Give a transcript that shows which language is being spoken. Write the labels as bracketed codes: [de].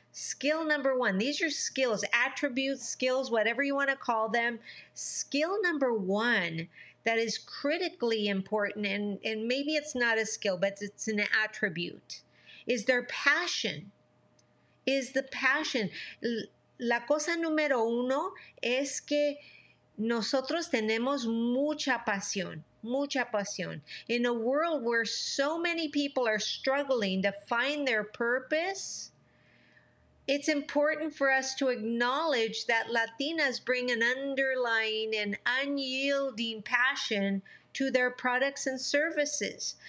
[en] Skill number one. These are skills, attributes, skills, whatever you want to call them. Skill number one that is critically important, and maybe it's not a skill, but it's an attribute, is their passion. Is the passion. [es] La cosa número uno es que nosotros tenemos mucha pasión. Mucha pasión. [en] In a world where so many people are struggling to find their purpose, it's important for us to acknowledge that Latinas bring an underlying and unyielding passion to their products and services.